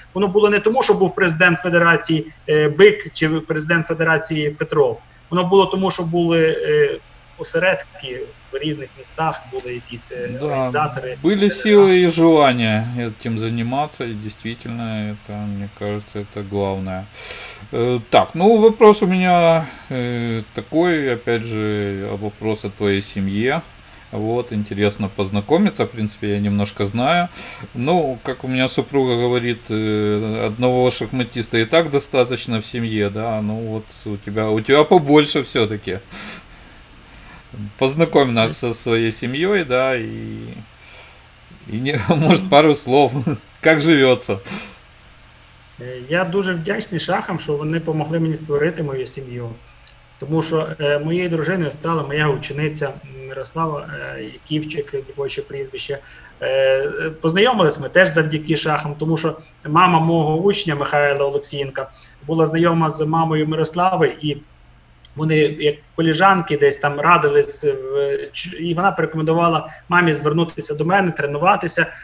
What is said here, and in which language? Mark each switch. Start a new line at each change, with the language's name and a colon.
Ukrainian: Воно було не тому, що був президент Федерації Бик чи президент Федерації Петров. Воно було тому, що були осередки в різних містах, були якісь організатори. Да, були сили і бажання цим займатися, і дійсно, це, мені кажеться, це головне.
Russian: Так, ну вопрос у меня такой, опять же, вопрос о твоей семье. Вот, интересно познакомиться, в принципе, я немножко знаю. Ну, как у меня супруга говорит, одного шахматиста и так достаточно в семье, да, ну вот у тебя побольше все-таки. Познакомь нас со своей семьей, да, и может, пару слов, как живется.
Ukrainian: Я дуже вдячний шахам, що вони допомогли мені створити мою сім'ю. Тому що моєю дружиною стала моя учениця Мирослава Яківчик, дівоче прізвище. Познайомились ми теж завдяки шахам, тому що мама мого учня Михайла Олексієнка була знайома з мамою Мирослави, і вони як коліжанки десь там радились, і вона порекомендувала мамі звернутися до мене, тренуватися.